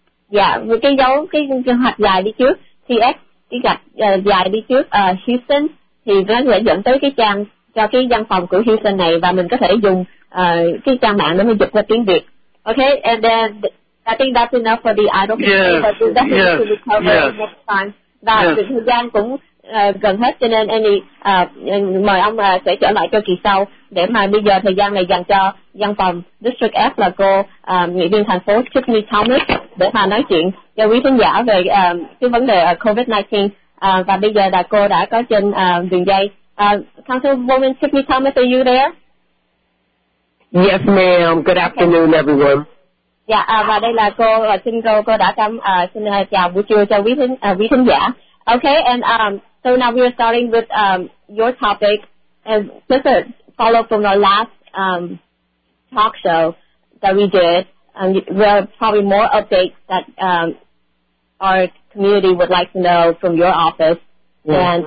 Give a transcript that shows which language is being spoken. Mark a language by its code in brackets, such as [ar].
[vi] Dạ, yeah, cái dấu cái hoặc dài đi trước, TX cái gạch dài đi trước Houston, thì nó sẽ dẫn tới cái trang cho cái văn phòng của Houston này, và mình có thể dùng cái trang mạng để mình dịch ra tiếng Việt. [en] Okay, and then I think that's enough for the idle people, but we'll definitely cover next time. [vi] Thời gian cũng gần hết, cho nên Annie mời ông sẽ trở lại cho kỳ sau, để mà bây giờ thời gian này dành cho văn phòng District F là cô nghị viên thành phố Tiffany Thomas để mà nói chuyện cho quý khán giả về cái vấn đề COVID-19, và bây giờ là cô đã có trên đường dây. [en] Councilwoman Tiffany Thomas, are you there? Yes, ma'am. Good afternoon, okay. Everyone. [vi] Dạ, và đây là cô, xin cô đã tâm, xin chào buổi trưa cho quý khán giả. [en] Okay, and so now we are starting with your topic, and just a follow from our last talk show that we did, and there are probably more updates that our community would like to know from your office, yeah.